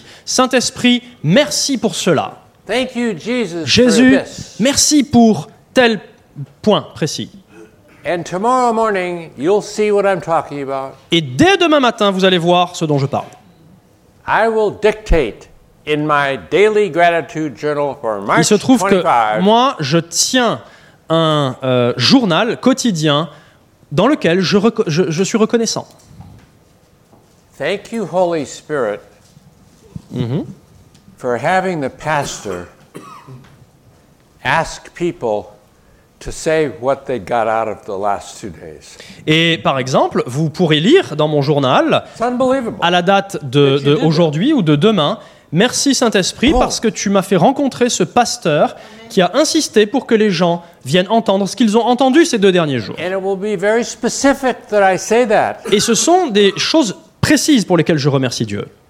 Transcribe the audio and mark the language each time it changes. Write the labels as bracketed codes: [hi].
[en] This. [fr] Saint-Esprit, merci pour cela. [en] Thank you, Jesus, [fr] Jésus, [en] for this. [fr] Merci pour tel point précis. [en] And tomorrow morning, you'll see what I'm talking about. [fr] Et dès demain matin, vous allez voir ce dont je parle. [en] I will dictate in my daily gratitude journal for March 25. [fr] Il se trouve que moi, je tiens un journal quotidien dans lequel je suis reconnaissant. [en] Thank you, Holy Spirit, mm-hmm. for having the pastor ask people to say what they got out of the last 2 days. [fr] Et par exemple, vous pourrez lire dans mon journal à la date de aujourd'hui ou de demain. Merci Saint-Esprit parce que tu m'as fait rencontrer ce pasteur qui a insisté pour que les gens viennent entendre ce qu'ils ont entendu ces 2 derniers jours. Et ce sont des choses précises pour lesquelles je remercie Dieu.